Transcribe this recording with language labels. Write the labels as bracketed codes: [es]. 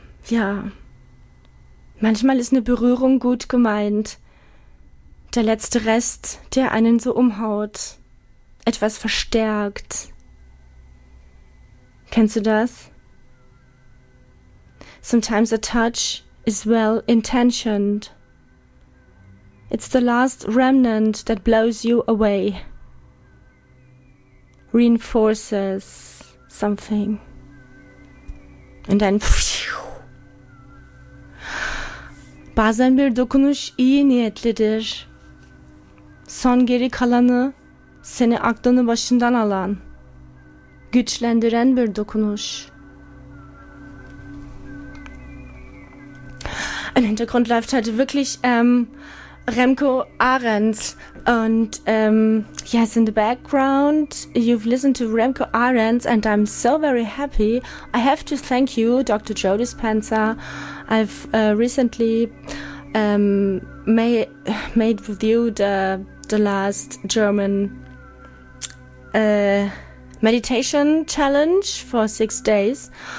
[de] Ja, manchmal ist eine Berührung gut gemeint. Der letzte Rest, der einen so umhaut, etwas verstärkt. Kennst du das? [en] Sometimes a touch is well intentioned. It's the last remnant that blows you away. Reinforces something. [de] Und dann... [tr] Bazen bir dokunuş iyi niyetlidir. Son geri kalanı, seni aklını başından alan, güçlendiren bir dokunuş. [de] Im Hintergrund läuft heute wirklich Remco Arendt. [en] Und yes, in the background, you've listened to Remco Arendt and I'm so very happy. I have to thank you, Dr. Joe Dispenza. I've recently made with you the last German meditation challenge for 6 days.